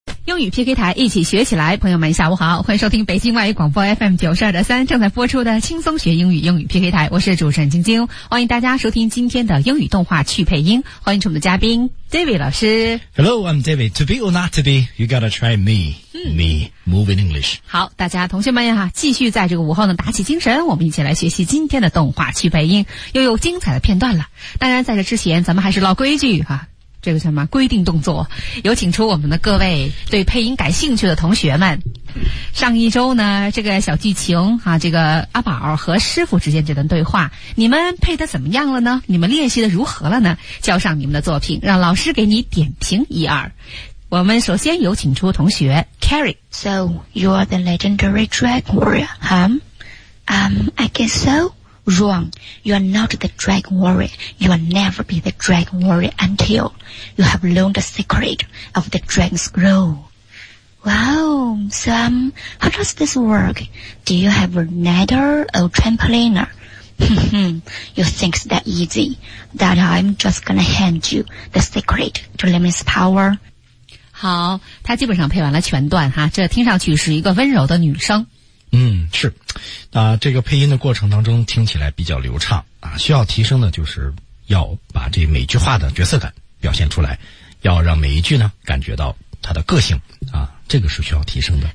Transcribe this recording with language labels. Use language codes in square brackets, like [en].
[zh] 英语 PK 台一起学起来，朋友们下午好，欢迎收听北京外语广播 FM92.3 正在播出的轻松学英语，英语 PK 台，我是主持人晶晶，欢迎大家收听今天的英语动画趣配音，欢迎我们的嘉宾 David 老师。 [en] Hello, I'm David. To be or not to be, you gotta try me. Me, move in English. [zh] 好，大家同学们呀，继续在这个午后呢打起精神，我们一起来学习今天的动画趣配音，又有精彩的片段了。当然在这之前，咱们还是老规矩啊，这个什么规定动作，有请出我们的各位对配音感兴趣的同学们。上一周呢，这个小剧情啊，这个阿宝和师傅之间这段对话，你们配得怎么样了呢？你们练习得如何了呢？交上你们的作品，让老师给你点评一二。我们首先有请出同学 Carrie. [en] So, you're the legendary dragon warrior, huh? I guess so. Wrong. You're not the dragon warrior. You'll never be the dragon warrior until you have learned the secret of the dragon scroll. Wow, so, how does this work? Do you have a nether or trampoline? You think it's that easy that I'm just gonna hand you the secret to limit power? [zh] 好，他基本上配完了全段哈，这听上去是一个温柔的女生。嗯，是。啊，这个配音的过程当中听起来比较流畅啊，需要提升的就是要把这每句话的角色感表现出来，要让每一句呢感觉到她的个性啊，这个是需要提升的。